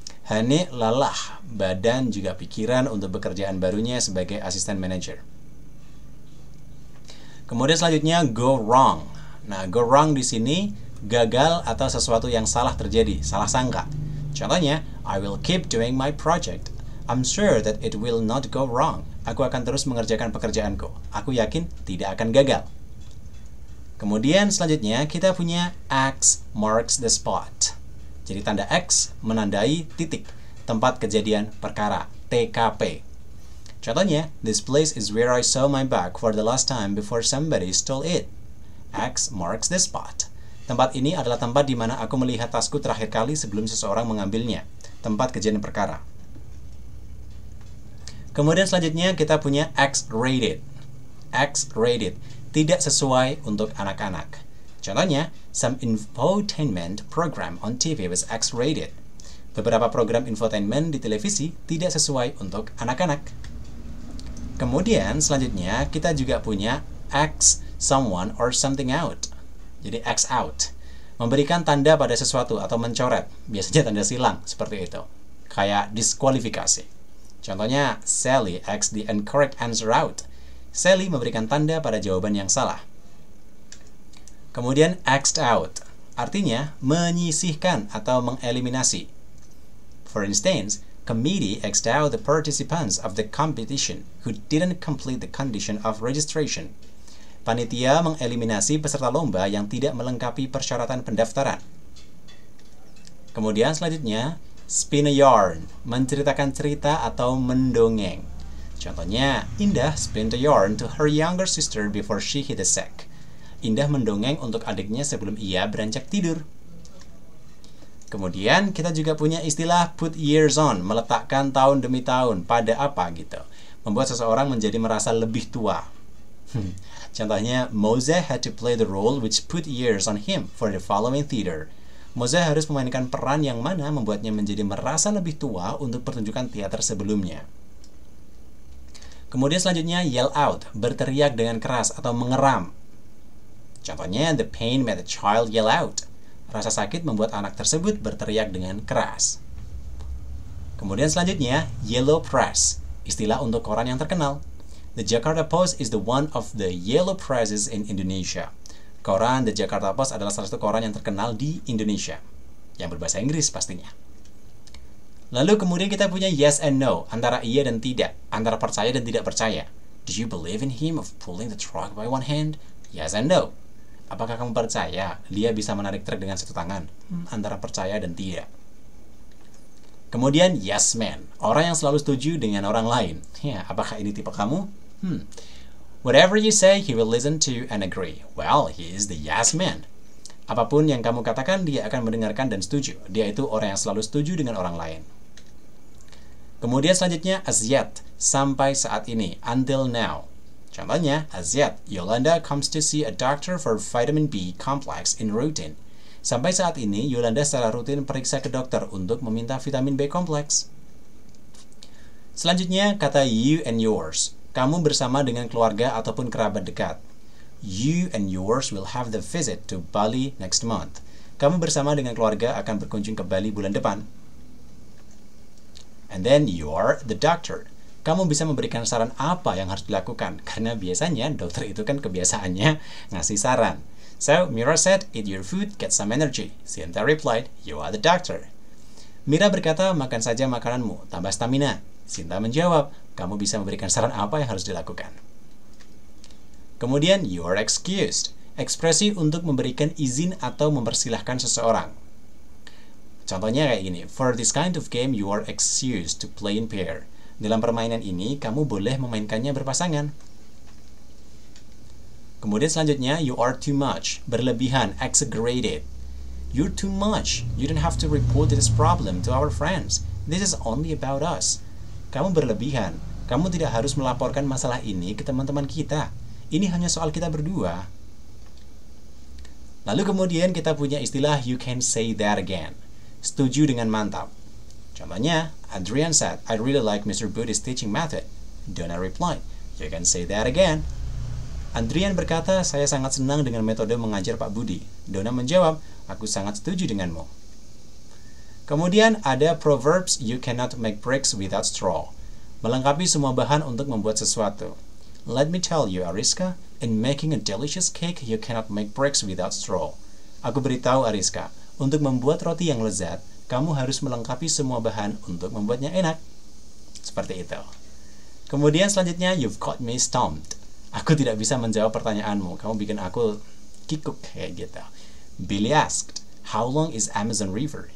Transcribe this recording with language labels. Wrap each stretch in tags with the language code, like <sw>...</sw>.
<id>Honey lelah, badan juga pikiran untuk pekerjaan barunya sebagai assistant manager. Kemudian selanjutnya,</id> <en>go wrong.</en> <id>Nah,</id> <en>go wrong</en> <id>di sini gagal atau sesuatu yang salah terjadi, salah sangka. Contohnya,</id> <en>I will keep doing my project. I'm sure that it will not go wrong.</en> <id>Aku akan terus mengerjakan pekerjaanku. Aku yakin tidak akan gagal. Kemudian selanjutnya kita punya</id> <en>X marks the spot.</en> <id>Jadi tanda X menandai titik, tempat kejadian perkara, TKP. Contohnya,</id> <en>this place is where I saw my bag for the last time before somebody stole it. X marks the spot.</en> <id>Tempat ini adalah tempat di mana aku melihat tasku terakhir kali sebelum seseorang mengambilnya. Tempat kejadian perkara. Kemudian selanjutnya kita punya</id> <en>X-rated. X-rated.</en> <id>Tidak sesuai untuk anak-anak. Contohnya,</id> <en>some infotainment program on TV was X-rated.</en> <id>Beberapa program infotainment di televisi tidak sesuai untuk anak-anak. Kemudian, selanjutnya, kita juga punya</id> <en>X someone or something out.</en> <id>Jadi,</id> <en>X out.</en> <id>Memberikan tanda pada sesuatu atau mencoret. Biasanya tanda silang, seperti itu. Kayak diskualifikasi. Contohnya,</id> <en>Sally X the incorrect answer out.</en> <id>Sally memberikan tanda pada jawaban yang salah. Kemudian,</id> <en>axed out.</en> <id>Artinya, menyisihkan atau mengeliminasi.</id> <en>For instance, committee axed out the participants of the competition who didn't complete the condition of registration.</en> <id>Panitia mengeliminasi peserta lomba yang tidak melengkapi persyaratan pendaftaran. Kemudian, selanjutnya,</id> <en>spin a yarn.</en> <id>Menceritakan cerita atau mendongeng. Contohnya,</id> <en>Indah spin the yarn to her younger sister before she hit the sack.</en> <id>Indah mendongeng untuk adiknya sebelum ia beranjak tidur. Kemudian, kita juga punya istilah</id> <en>put years on,</en> <id>meletakkan tahun demi tahun, pada apa gitu. Membuat seseorang menjadi merasa lebih tua. Contohnya,</id> <en>Moses had to play the role which put years on him for the following theater.</en> <id>Moses harus memainkan peran yang mana membuatnya menjadi merasa lebih tua untuk pertunjukan teater sebelumnya. Kemudian selanjutnya,</id> <en>yell out,</en> <id>berteriak dengan keras atau mengeram. Contohnya,</id> <en>the pain made the child yell out.</en> <id>Rasa sakit membuat anak tersebut berteriak dengan keras. Kemudian selanjutnya,</id> <en>yellow press,</en> <id>istilah untuk koran yang terkenal.</id> <en>The Jakarta Post is the one of the yellow presses in Indonesia.</en> <id>Koran The Jakarta Post adalah salah satu koran yang terkenal di Indonesia. Yang berbahasa Inggris pastinya. Lalu kemudian kita punya</id> <en>yes and no,</en> <id>antara iya dan tidak, antara percaya dan tidak percaya.</id> <en>Do you believe in him of pulling the truck by one hand? Yes and no.</en> <id>Apakah kamu percaya dia bisa menarik truk dengan satu tangan? Antara percaya dan tidak. Kemudian</id> <en>yes man,</en> <id>orang yang selalu setuju dengan orang lain. Ya, apakah ini tipe kamu?</id> <en>Whatever you say, he will listen to you and agree. Well, he is the yes man.</en> <id>Apapun yang kamu katakan, dia akan mendengarkan dan setuju. Dia itu orang yang selalu setuju dengan orang lain. Kemudian selanjutnya,</id> <en>as yet,</en> <id>sampai saat ini,</id> <en>until now.</en> <id>Contohnya,</id> <en>as yet, Yolanda comes to see a doctor for vitamin B complex in routine.</en> <id>Sampai saat ini, Yolanda secara rutin periksa ke dokter untuk meminta vitamin B kompleks. Selanjutnya, kata</id> <en>you and yours.</en> <id>Kamu bersama dengan keluarga ataupun kerabat dekat.</id> <en>You and yours will have the visit to Bali next month.</en> <id>Kamu bersama dengan keluarga akan berkunjung ke Bali bulan depan.</id> <en>And then you are the doctor.</en> <id>Kamu bisa memberikan saran apa yang harus dilakukan, karena biasanya dokter itu kan kebiasaannya ngasih saran.</id> <en>So, Mira said, eat your food, get some energy.</en> <id>Sienta</id> <en>replied, you are the doctor.</en> <id>Mira berkata, makan saja makananmu, tambah stamina. Sienta menjawab, kamu bisa memberikan saran apa yang harus dilakukan. Kemudian,</id> <en>you are excused.</en> <id>Ekspresi untuk memberikan izin atau mempersilahkan seseorang. Contohnya kayak gini,</id> <en>for this kind of game, you are excused to play in pair.</en> <id>Dalam permainan ini, kamu boleh memainkannya berpasangan. Kemudian selanjutnya,</id> <en>you are too much,</en> <id>berlebihan,</id> <en>exaggerated. You're too much, you don't have to report this problem to our friends. This is only about us.</en> <id>Kamu berlebihan, kamu tidak harus melaporkan masalah ini ke teman-teman kita. Ini hanya soal kita berdua. Lalu kemudian kita punya istilah,</id> <en>you can say that again.</en> <id>Setuju dengan mantap. Contohnya,</id> <en>Adrian said, I really like Mr. Booty's teaching method. Donna replied, you can say that again.</en> <id>Adrian berkata, saya sangat senang dengan metode mengajar Pak Budi. Donna menjawab, aku sangat setuju denganmu. Kemudian ada proverbs,</id> <en>you cannot make bricks without straw.</en> <id>Melengkapi semua bahan untuk membuat sesuatu.</id> <en>Let me tell you, Ariska, in making a delicious cake, you cannot make bricks without straw.</en> <id>Aku beritahu, Ariska, untuk membuat roti yang lezat, kamu harus melengkapi semua bahan untuk membuatnya enak. Seperti itu. Kemudian selanjutnya,</id> <en>you've got me stumped.</en> <id>Aku tidak bisa menjawab pertanyaanmu. Kamu bikin aku kikuk, kayak gitu.</id> <en>Billy asked, how long is Amazon River?</en>